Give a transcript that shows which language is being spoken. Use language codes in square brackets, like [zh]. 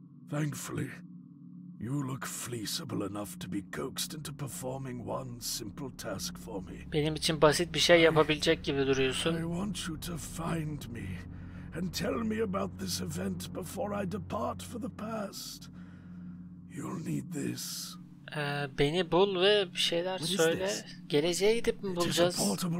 [en] Thankfully, you look fleeceable enough to be coaxed into performing one simple task for me. [tr] Benim için basit bir şey yapabilecek gibi duruyorsun. [en] I want you to find me. And tell me about this event before I depart for the past. You'll need this. [tr] Beni bul ve bir şeyler söyle. Geleceğe gidip mi bulacağız?